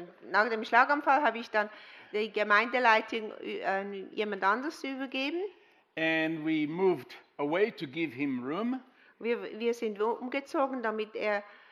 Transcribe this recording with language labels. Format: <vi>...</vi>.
<de>Nach dem Schlaganfall habe ich dann die Gemeindeleitung jemand anders übergeben.</de> <en>And we moved away to give him room.</en> <de>Wir sind umgezogen, damit er</de>